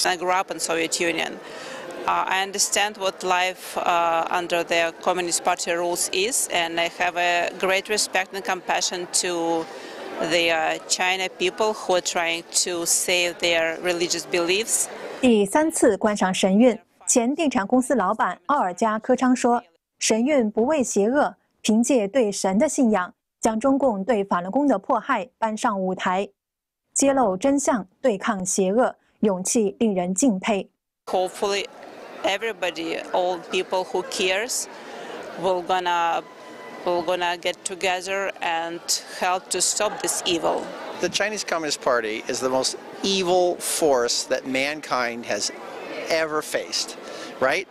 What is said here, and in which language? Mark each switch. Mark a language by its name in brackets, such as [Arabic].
[English] I grew up in the Soviet Union. I understand what life under the Communist Party rules is, and I have a great respect and compassion to the China people who are trying to save their religious beliefs. [Chinese] 第三次观赏神韵，前电产公司老板奥尔加科昌说，神韵不畏邪恶，凭借对神的信仰，将中共对法轮功的迫害搬上舞台，揭露真相，对抗邪恶，勇气令人敬佩。 [English] Hopefully. Everybody, all people who cares, we're gonna get together and help to stop this evil. The Chinese Communist Party is the most evil force that mankind has ever faced, right?